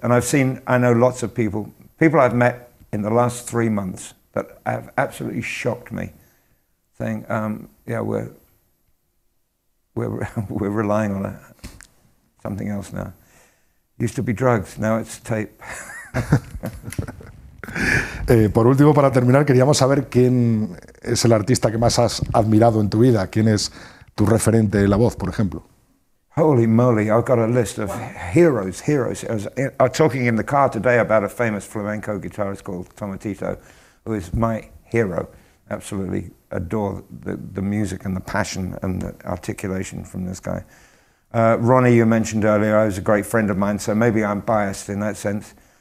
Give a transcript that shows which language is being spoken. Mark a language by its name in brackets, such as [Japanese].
[English] And I know lots of people I've met in the last 3 months that have absolutely shocked me, saying, we're relying on something else now. Used to be drugs, now it's tape. [Spanish] Por último, para terminar, queríamos saber quién es el artista que más has admirado en tu vida, quién es tu referente en la voz, por ejemplo. [English] Holy moly, I've got a list of heroes. I was talking in the car today about a famous flamenco guitarist called Tomatito, who is my hero. Absolutely adore the music and the passion and the articulation from this guy. Ronnie, you mentioned earlier, I was a great friend of mine, so maybe I'm biased in that sense.